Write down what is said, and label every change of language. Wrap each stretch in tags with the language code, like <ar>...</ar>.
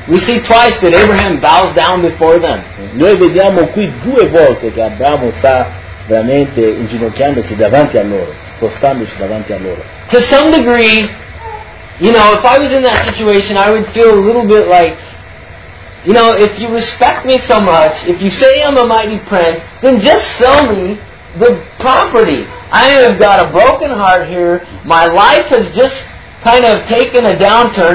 <en>We see twice that Abraham bows down before them.</en> <it>Noi vediamo qui due volte che Abramo sta veramente inginocchiandosi davanti a loro, spostandosi davanti a loro.</it> <en>To some degree, you know, if I was in that situation, I would feel a little bit like, you know, if you respect me so much, if you say I'm a mighty prince, then just sell me the property. I have got a broken heart here. My life has just kind of taken a downturn.</en>